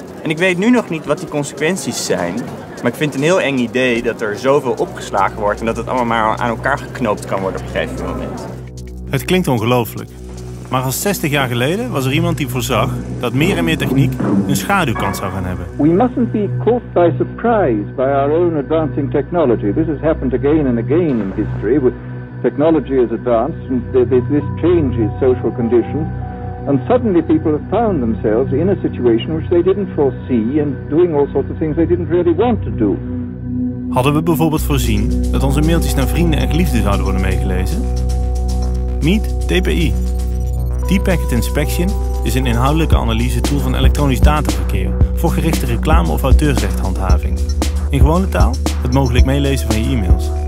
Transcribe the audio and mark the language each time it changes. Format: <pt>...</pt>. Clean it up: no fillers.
<nl>En ik weet nu nog niet wat die consequenties zijn, maar ik vind het een heel eng idee dat er zoveel opgeslagen wordt en dat het allemaal maar aan elkaar geknoopt kan worden op een gegeven moment. Het klinkt ongelooflijk. Maar al 60 jaar geleden was er iemand die voorzag dat meer en meer techniek een schaduwkant zou gaan hebben.</nl> <en>We mustn't be caught by surprise by our own advancing technology. This has happened again and again in history. Technology has advanced and this changes social conditions. And suddenly people have found themselves in a situation which they didn't foresee and doing all sorts of things they didn't really want to do.</en> <nl>Hadden we bijvoorbeeld voorzien dat onze mailtjes naar vrienden en geliefden zouden worden meegelezen?</nl> <en>Meet DPI.</en> <nl>Deep Packet Inspection is een inhoudelijke analyse tool van elektronisch dataverkeer voor gerichte reclame- of auteursrechthandhaving. In gewone taal, het mogelijk meelezen van je e-mails.</nl>